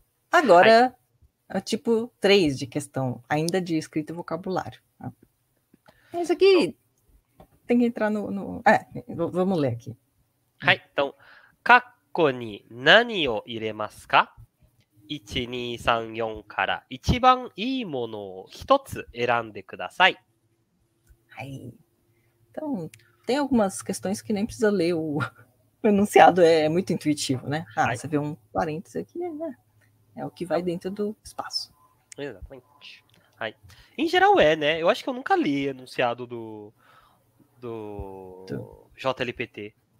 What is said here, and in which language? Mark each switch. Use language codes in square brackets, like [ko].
[pt] agora, tipo, três de questão, ainda de escrita e vocabulário. Isso aqui tem que entrar no... vamos ler aqui. [ja] então, カッコに何を入れますか？ 1、2、3、4から一番いいものを一つ選んでください。 [pt] Então, tem algumas questões que nem precisa ler o enunciado, é muito intuitivo, né? Ah, você vê um parênteses aqui, né? É o que vai dentro do espaço. Exatamente. Em geral é, né? Eu acho que eu nunca li enunciado do JLPT.